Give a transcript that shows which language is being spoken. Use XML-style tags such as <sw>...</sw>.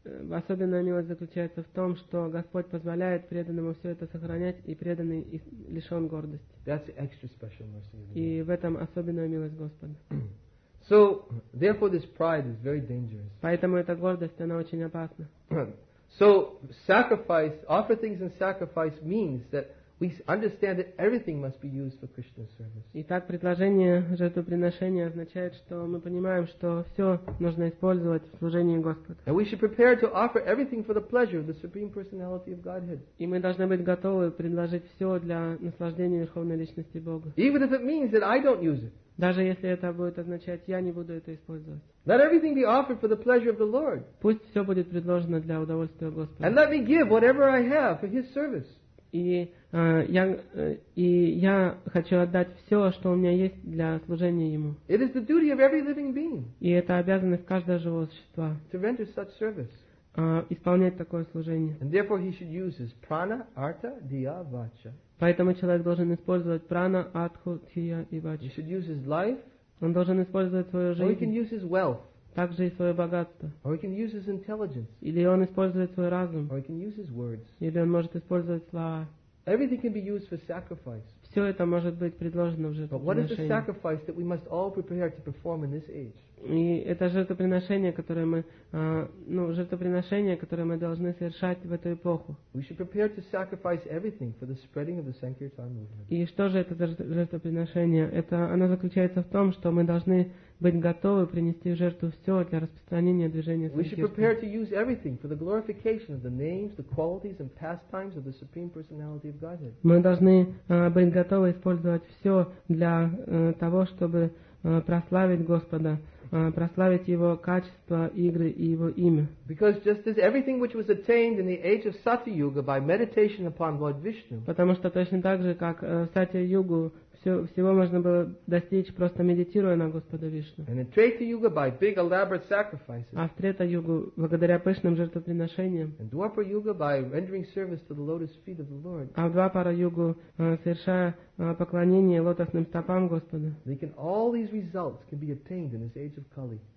<ru>Особенная милость заключается в том, что Господь позволяет преданному все это сохранять, и преданный лишен гордости.</ru> <en>That's extra special mercy.</en> <ru>И в этом особенная милость Господа.</ru> <en>So, therefore, this pride is very dangerous.</en> <ru>Поэтому эта гордость, она очень опасна.</ru> <en>So, sacrifice, offer things in sacrifice means that we understand that everything must be used for Krishna's service.</en> <ru>Итак, предложение жертвоприношения означает, что мы понимаем, что все нужно использовать в служении Господу.</ru> <en>And we should prepare to offer everything for the pleasure of the Supreme Personality of Godhead.</en> <ru>И мы должны быть готовы предложить все для наслаждения Верховной Личности Бога.</ru> <en>Even if it means that I don't use it.</en> <ru>Даже если это будет означать, я не буду это использовать.</ru> <en>Let everything be offered for the pleasure of the Lord.</en> <ru>Пусть все будет предложено для удовольствия Господа.</ru> <en>And let me give whatever I have for His service.</en> <ru>И Я хочу отдать все, что у меня есть для служения Ему.</ru> <en>It is the duty of every living being.</en> <ru>И это обязанность каждого живого существа.</ru> <en>To render such service.</en> <ru>Исполнять такое служение.</ru> <en>And therefore he should use his prana, artha, dhiya, vacha.</en> <ru>Поэтому человек должен использовать прана, артху, дхия и вача.</ru> <en>He should use his life.</en> <ru>Он должен использовать свою жизнь.</ru> <en>Or he can use his wealth.</en> <ru>Также и свое богатство.</ru> <en>Or he can use his intelligence.</en> <ru>Или он использует свой разум.</ru> <en>Or he can use his words.</en> <ru>Или он может использовать слова.</ru> <en>Everything can be used for sacrifice.</en> <ru>Все это может быть предложено в жертвоприношение.</ru> <en>But what is the sacrifice that we must all prepare to perform in this age?</en> <ru>И это жертвоприношение, которое мы, жертвоприношение, которое мы должны совершать в эту эпоху.</ru> <en>We should prepare to sacrifice everything for the spreading of the Sankirtan movement.</en> <ru>И что же это за жертвоприношение? Это оно заключается в том, что мы должны быть готовы принести в жертву все для распространения движения Санкиртан.</ru> <en>We should prepare to use everything for the glorification of the names, the qualities, and pastimes of the Supreme Personality of Godhead.</en> <ru>Мы должны быть готовы использовать все для того, чтобы прославить Господа, прославить Его качества, игры и Его имя.</ru> <en>Because just as everything which was attained in the age of Satya-yuga by meditation upon Lord Vishnu.</en> <ru>Потому что точно так же, как в Сатья-югу всего можно было достичь, просто медитируя на Господа Вишну.</ru> <en>And in Treta-yuga by big elaborate sacrifices.</en> <ru>А в Трета-югу благодаря пышным жертвоприношениям.</ru> <en>And Dwapara-yuga by rendering service to the lotus feet of the Lord.</en> <ru>А в Двапара-югу совершая поклонение лотосным стопам Господа.</ru> <en>All these results can be attained in this age of Kali.</en>